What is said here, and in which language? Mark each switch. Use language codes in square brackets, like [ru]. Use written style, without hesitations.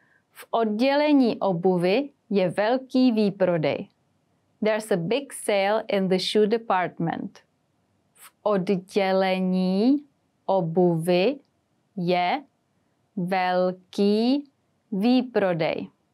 [cs] V oddělení obuvi je velký výprodej. [en] There's a big sale in the shoe department. [cs] V oddělení obuvi je velký výprodej.